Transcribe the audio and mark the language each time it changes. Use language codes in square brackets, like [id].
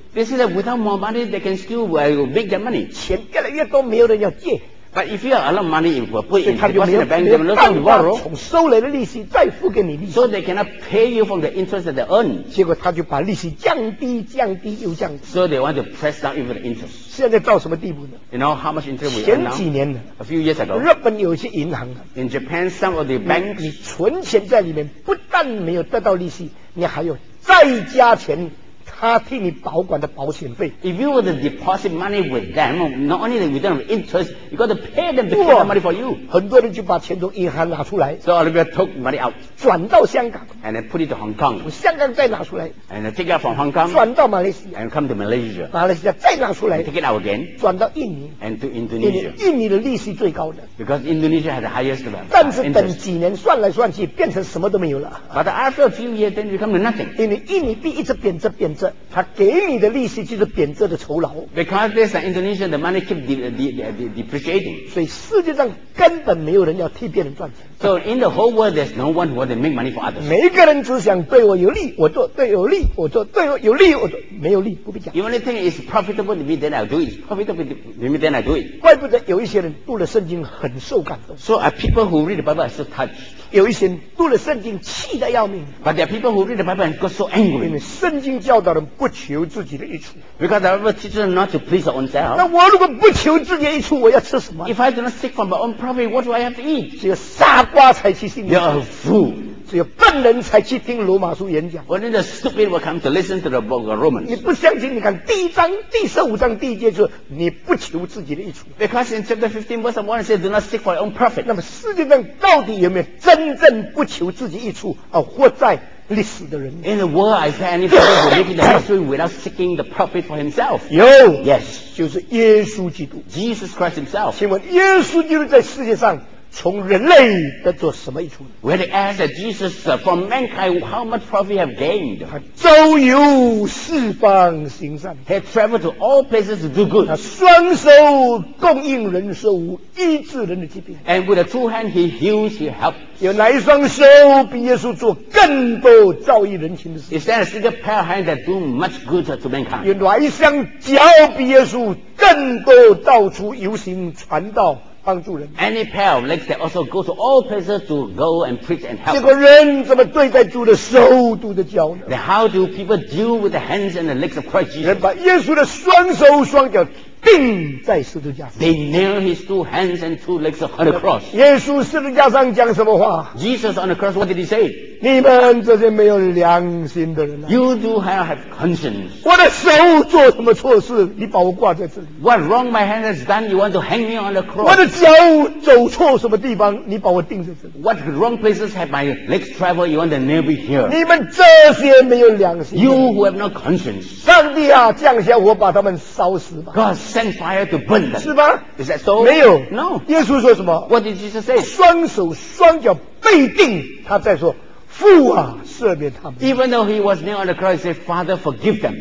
[en] they say that without more money they can still make their money [zh] 钱越来越多没有人要借 [en] but if you have a lot of money if you put in the bank they will not borrow [zh] 从收来的利息再付给你利息 [en] so they cannot pay you from the interest that they earn [zh] 结果他就把利息降低降低又降低 [en] so they want to press down even the interest [zh] 现在到什么地步呢 [en] you know how much interest we earn now [zh] 前几年 [en] a few years ago [zh] 日本有些银行 [en] in Japan some of the banks [zh] 你存钱在里面不但没有得到利息你还有再加钱他替你保管的保险费 [en] if you were to deposit money with them not only that we don't have interest you got to pay them to keep the money for you [zh] 很多人就把钱从银行拿出来 [en] so Olivia took money out [zh] 转到香港 [en] and then put it to Hong Kong [zh] 香港再拿出来 [en] and take it out from Hong Kong [zh] 转到马来西亚 [en] and come to Malaysia [zh] 马来西亚再拿出来 [en] take it out again [zh] 转到印尼 [en] and to Indonesia [zh] 印尼的利息最高的 [en] because Indonesia has the highest interest [zh] 但是等几年算来算去变成什么都没有了 [en] but after a few years then you come to nothing [zh] 因为印尼币一直贬值贬值他给你的利息就是贬值的酬劳。 [en] Because this Indonesia, the money keep depreciating. [zh] 所以世界上根本没有人要替别人赚钱。 [en] So in the whole world, there's no one who wants to make money for others. [zh] 每个人只想对我有利，我做对有利，我做对我有利，我做没有利不必讲。 [en] The only thing is profitable to me, then I'll do it. Profitable to me, then I do it. [zh] 怪不得有一些人读了圣经很受感动。 [en] So are people who read the Bible are so touched. [zh] 有一些人读了圣经气得要命。 [en] But there are people who read the Bible and got so angry. [zh] 因为圣经教导人不求自己的益处。 [en] Because the Bible teaches them not to please their own self. [zh] 那我如果不求自己的益处，我要吃什么 [en] ？If I do not seek for my own profit, what do I have to eat? [zh] 只有傻瓜才去信。 [en] You're a fool. [zh] 只有笨人才去听罗马书演讲。 [en] Only the stupid will come to listen to the book of Romans. [zh] 你不相信？你看第一章第十五章第一节说，你不求自己的益处。 [en] Because in chapter 15, verse 1 says, "Do not seek for your own profit." [zh] 那么世界上到底有没有真？真正不求自己益处而活在历史的人。 [en] In the world, is there anybody who lives in the history without seeking the profit for himself? [zh] 有 [en] ，Yes， [zh] 就是耶稣基督 [en] ，Jesus Christ Himself。 [zh] 请问耶稣基督在世界上从人类得到什么益处 [en] ？When they ask that Jesus from mankind, how much profit have gained? [zh] 他周游四方行善 [en] ，He traveled to all places to do good. [zh] 他双手供应人受苦，医治人的疾病。 [en] And with the two hands, He heals, He helps. [zh] 有哪一双手比耶稣做更多造诣人情的事 [en] ？Is there a single pair of hands that do much good to mankind？ [zh] 有哪一双脚比耶稣更多到处游行传道帮助人 [en] ？Any pair of legs that also go to all places to go and preach and help？ [zh] 这个人怎么对待主的手、主的脚呢 [en] ？Then how do people deal with the hands and the legs of Christ Jesus？ [zh] 人把耶稣的双手双脚钉在十字架上。 [en] They nailed his two hands and two legs on the cross。 [zh] 耶稣十字架上讲什么话 [en] ？Jesus on the cross, what did he say？ [zh] 你们这些没有良心的人、啊、 [en] ，You do have conscience。 [zh] 我的手做什么错事，你把我挂在这里 [en] ？What wrong my hand has done, you want to hang me on the cross？ [zh] 我的脚走错什么地方，你把我钉在这里 [en] ？What wrong places have my legs traveled, you want to nail me here？ [zh] 你们这些没有良心 [en] ，You who have no conscience。 [zh] 上帝啊，降下火把他们烧死吧 [en] ！God。 Send fire to burn them. [zh] 是吧 [en] ？Is that so? [zh] 没有。 [en] No. [zh] 耶稣说什么 [en] ？What did Jesus say? [zh] 双手双脚被钉，他在说，父啊，赦免他们。 [en] Even though he was nailed on the cross, he said, "Father, forgive them."